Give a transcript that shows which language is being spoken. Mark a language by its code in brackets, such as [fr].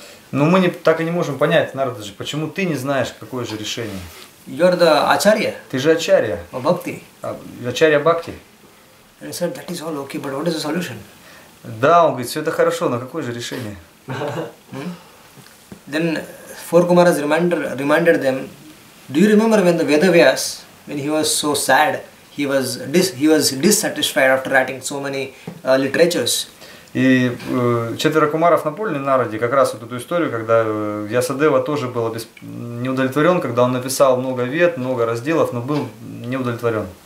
[ru] Но мы так и не можем понять, Нарададжи, почему ты не знаешь, какое же решение? [en] You're the Acharya. [ru] Ты же Ачарья. Oh, Бхакти. Ачарья Бхакти. [en] And he said, that is all okay, but what is the solution? [ru] Да, он говорит, все это хорошо, но какое же решение? [en] Then four Kumaras reminded them, do you remember when the Vedavyas, when he was so sad, he was dissatisfied after writing so many literatures? [ru] И четверо кумаров напомнили Нараде как раз вот эту историю, когда Вьясадева тоже был неудовлетворен, когда он написал много вед, много разделов, но был неудовлетворен.